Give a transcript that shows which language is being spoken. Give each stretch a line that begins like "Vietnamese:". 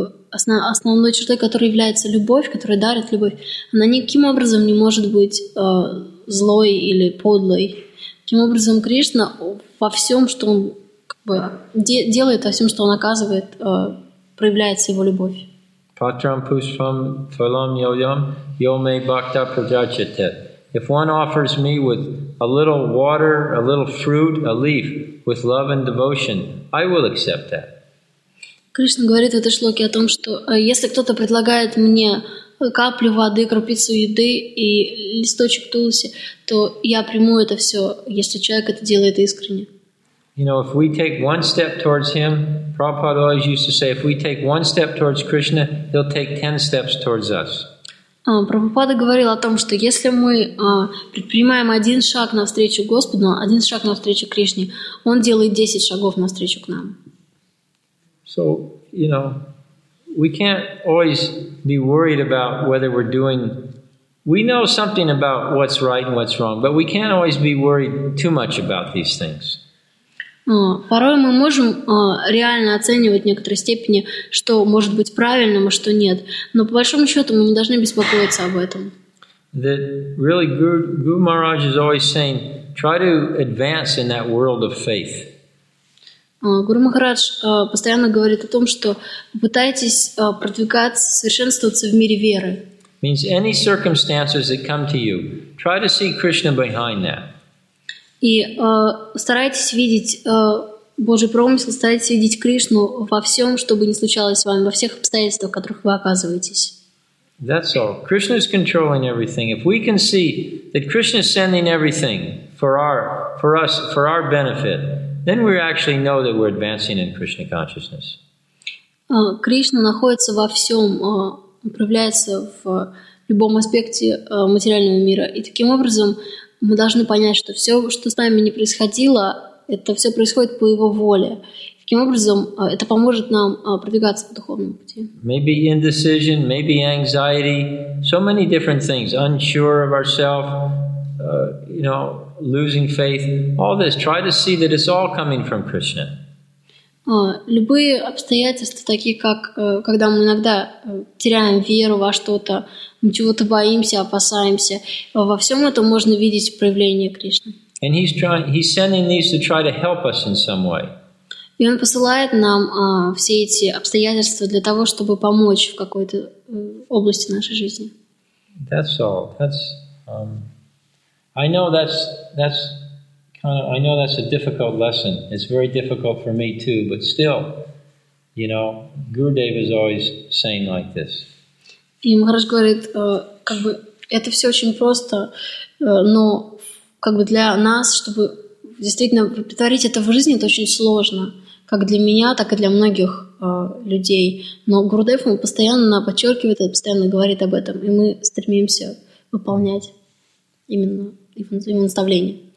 Russian: Основной чертой, которой является любовь, которая дарит любовь, она никаким образом не может быть злой или подлой. Таким образом, Кришна во всем, что он делает, во всем, что он оказывает, проявляется его любовь.
Sanskrit: Патрам пушпам фалам йойам йоме бхакта праджачате.
English: If one offers me with a little water, a little fruit, a leaf, with love and devotion, I will accept that.
Russian: Кришна говорит в этой шлоке о том, что если кто-то предлагает мне каплю воды, крупицу еды и листочек туласи, то я приму это все, если человек это делает искренне.
English: If we take one step towards him, Prabhupada always used to say, if we take one step towards Krishna, he'll take 10 steps towards us.
Russian: Прабхупада говорил о том, что если мы предпринимаем один шаг навстречу Господу, один шаг навстречу Кришне, он делает 10 шагов навстречу к нам.
English: So, we can't always be worried about whether we're doing... We know something about what's right and what's wrong, but we can't always be worried too much about these things.
Russian: Порой мы можем реально оценивать в некоторой степени, что может быть правильным, а что нет. Но по большому счету мы не должны беспокоиться об этом.
English: That really Guru Maharaj is always saying, try to advance in that world of faith.
Russian: Гуру Махарадж постоянно говорит о том, что пытайтесь продвигаться, совершенствоваться в мире веры.
English: Means any circumstances that come to you, try to see Krishna behind that.
Russian: И старайтесь видеть Божий промысел, старайтесь видеть Кришну во всем, что бы ни случалось с вами, во всех обстоятельствах, в которых вы оказываетесь.
English: That's all. Krishna is controlling everything. If we can see that Krishna is sending everything for us, for our benefit, then we actually know that we're advancing in Krishna consciousness.
Russian: Кришна находится во всем, управляется в любом аспекте материального мира. И таким образом мы должны понять, что все, что с нами не происходило, это все происходит по его воле. Таким образом, это поможет нам продвигаться по духовному пути.
English: Maybe indecision, maybe anxiety, so many different things. Unsure of ourselves, you know, losing faith. All this. Try to see that it's all coming from Krishna.
Russian: Любые обстоятельства, такие как когда мы иногда теряем веру во что-то, мы чего-то боимся, опасаемся, во всем этом можно видеть проявление Кришны.
English: And he's trying, he's sending these to try to help us in some way.
Russian: И он посылает нам все эти обстоятельства для того, чтобы помочь в какой-то области нашей жизни.
English: That's all. That's, I know that's I know that's a difficult lesson. It's very difficult for me too, but still, you know, Gurudev is always saying like this.
Russian: И Махарадж говорит, как бы это все очень просто, но как бы для нас, чтобы действительно повторить это в жизни, это очень сложно, как для меня, так и для многих людей. Но Гурудев постоянно подчеркивает это, постоянно говорит об этом, и мы стремимся выполнять именно его наставления.